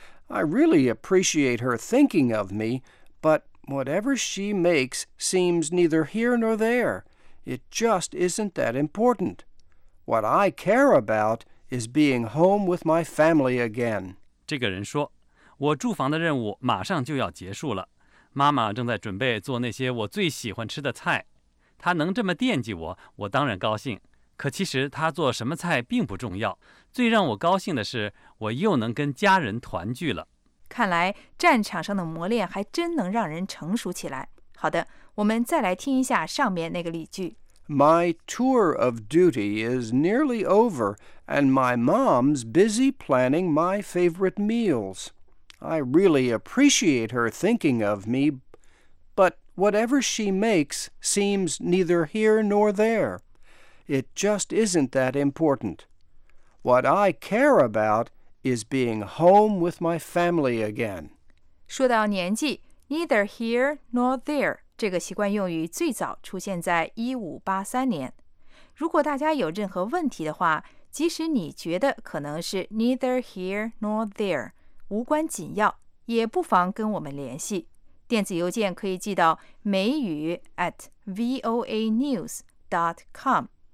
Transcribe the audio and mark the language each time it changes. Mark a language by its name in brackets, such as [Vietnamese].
[English] I really appreciate her thinking of me, but whatever she makes seems neither here nor there. It just isn't that important. What I care aboutis being home with my family again. [Chinese] 这个人说，我驻防的任务马上就要结束了，妈妈正在准备做那些我最喜欢吃的菜。她能这么惦记我，我当然高兴。可其实她做什么菜并不重要，最让我高兴的是我又能跟家人团聚了。看来战场上的磨练还真能让人成熟起来。好的，我们再来听一下上面那个例句。 [English] My tour of duty is nearly over, and my mom's busy planning my favorite meals. I really appreciate her thinking of me, but whatever she makes seems neither here nor there. It just isn't that important. What I care about is being home with my family again. [Chinese] 说到年纪， [English] neither here nor there。 [Chinese] 这个习惯用语最早出现在1583年。如果大家有任何问题的话，即使你觉得可能是 [English] neither here nor there, [Chinese] 无关紧要，也不妨跟我们联系。电子邮件可以寄到美语 @voanews.com。